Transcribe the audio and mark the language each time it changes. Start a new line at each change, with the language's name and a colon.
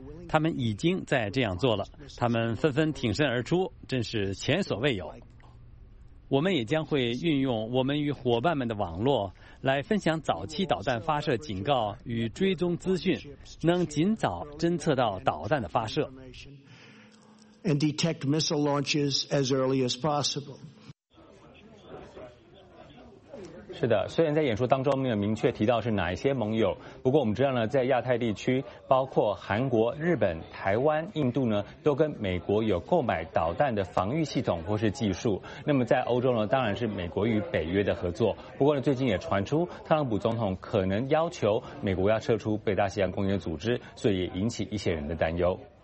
Chinese: 他们已经在这样做了，他们纷纷挺身而出，真是前所未有。我们也将会运用我们与伙伴们的网络来分享早期导弹发射警告与追踪资讯，能尽早侦测到导弹的发射。
English: And detect missile launches as early as possible.
Chinese: 是的，虽然在演说当中没有明确提到是哪一些盟友，不过我们知道呢，在亚太地区，包括韩国、日本、台湾、印度呢，都跟美国有购买导弹的防御系统或是技术。那么在欧洲呢，当然是美国与北约的合作。不过呢，最近也传出特朗普总统可能要求美国要撤出北大西洋公约组织，所以也引起一些人的担忧。